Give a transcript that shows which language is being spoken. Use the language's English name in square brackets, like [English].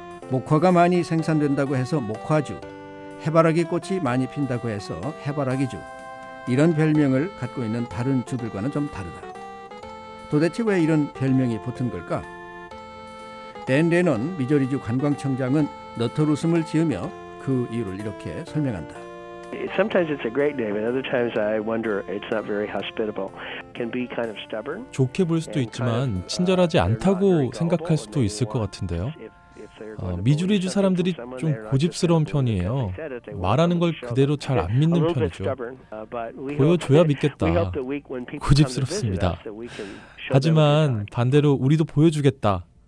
[Korean] 목화가 많이 생산된다고 해서 목화주, 해바라기 꽃이 많이 핀다고 해서 해바라기주, 이런 별명을 갖고 있는 다른 주들과는 좀 다르다. 도대체 왜 이런 별명이 붙은 걸까? 댄 레논 미주리주 관광청장은 너털웃음을 지으며 그 이유를 이렇게 설명한다. [English] Sometimes it's a great name, and other times I wonder it's not very hospitable. Can be kind of stubborn. [Korean] 좋게 볼 수도 있지만 친절하지 않다고 생각할 수도 있을 것 같은데요. 미주리주 사람들이 좀 고집스러운 편이에요. 말하는 걸 그대로 잘 안 믿는 편이죠. 보여줘야 믿겠다. 고집스럽습니다. 하지만 반대로 우리도 보여주겠다.